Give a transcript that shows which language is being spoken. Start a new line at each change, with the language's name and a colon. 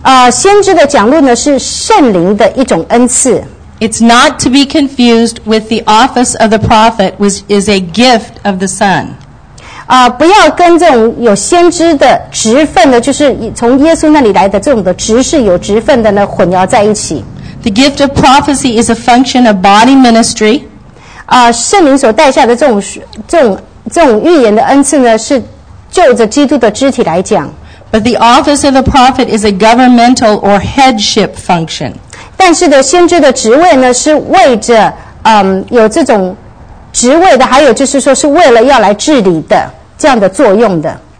Chinese: 先知的讲论呢是圣灵的一种恩赐。
English: It's not to be confused with the office of the prophet, which is a gift of the Son.
Chinese: 不要跟这种有先知的职分的，就是从耶稣那里来的这种的执事有职分的呢混淆在一起。
English: The gift of prophecy is a function of body ministry.
Chinese: 圣灵所带下的这种预言的恩赐呢，是就着基督的肢体来讲。
English: But the office of the prophet is a governmental or headship function.
Chinese: 但是的先知的职位呢是为着有这种职位的还有就是说是为了要来治理的这样的作用的